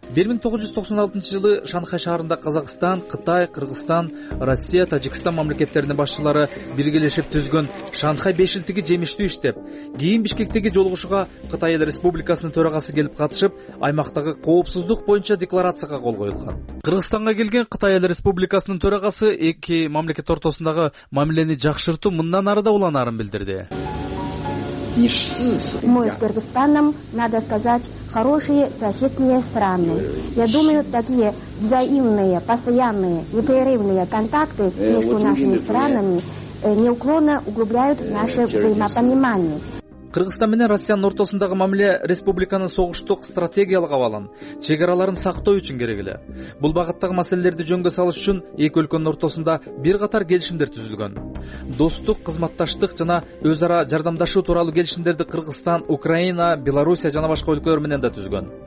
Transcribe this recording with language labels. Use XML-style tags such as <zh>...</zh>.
<ky>1996 жылы Шанхай шаарында Казакстан, Кытай, Кыргызстан, Россия, Тажикстан мамлекеттеринин башчылары биргелешип түзгөн Шанхай бешилтиги жемиштүү иштеп, кийин Бишкектеги жолугушууга Кытай Эл Республикасынын төрагасы келип катышып, аймактагы коопсуздук боюнча декларацияга кол коюлган. Кыргызстанга келген Кытай Эл Республикасынын төрагасы эки мамлекет ортосундагы мамилени жакшыртуу мындан ары да уланарын билдирди.</ky> <ru>Мы с Кыргызстаном, надо сказать, хорошие соседние страны. Я думаю, такие взаимные, постоянные, непрерывные контакты между нашими странами неуклонно углубляют наше взаимопонимание.</ru> <ky>Кыргызстан менен Россиянын ортосундагы мамиле республиканын согуштук стратегиялык абалын, чек араларын сактоо үчүн керек эле. Бул багыттагы маселелерди жөнгө салыш үчүн эки өлкөнүн ортосунда бир катар келишимдер түзүлгөн. Достук, кызматташтык жана өз ара жардамдашуу тууралуу келишимдерди Кыргызстан, Украина, Белоруссия жана башка өлкөлөр менен да түзгөн.</ky>